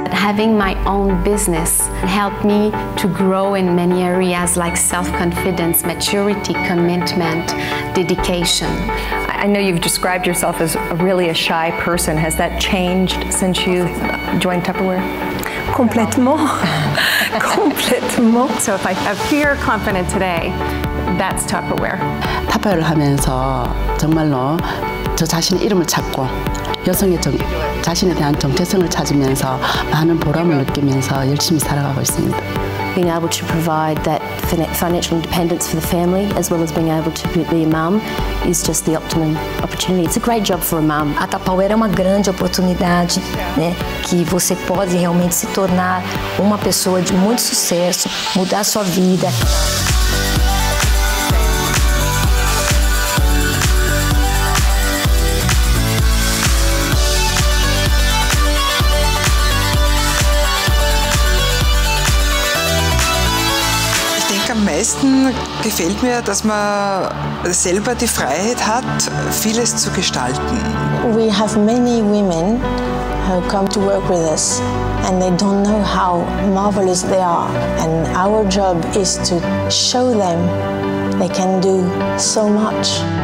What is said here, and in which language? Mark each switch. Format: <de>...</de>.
<en>Having my own business helped me to grow in many areas like self-confidence, maturity, commitment, dedication. I know you've described yourself as really a shy person. Has that changed since you joined Tupperware?</en> <fr>Complètement. Complètement.</fr> <en>So if I appear confident today, that's Tupperware.</en> <ko>Tupperware 하면서 정말로 저 자신의 이름을 찾고 여성의 정, 자신에 대한 정체성을 찾으면서 많은 보람을 느끼면서 열심히 살아가고 있습니다.</ko> <en>Being able to provide that financial independence for the family, as well as being able to be a mum, is just the optimum opportunity. It's a great job for a mum.</en> <pt>A Tupperware é uma grande oportunidade, né, que você pode realmente se tornar uma pessoa de muito sucesso, mudar sua vida.</pt> <de>meisten gefällt mir, dass man selber die Freiheit hat, vieles zu gestalten.</de> <en>We have many women who come to work with us and they don't know how marvelous they are. And our job is to show them they can do so much.</en>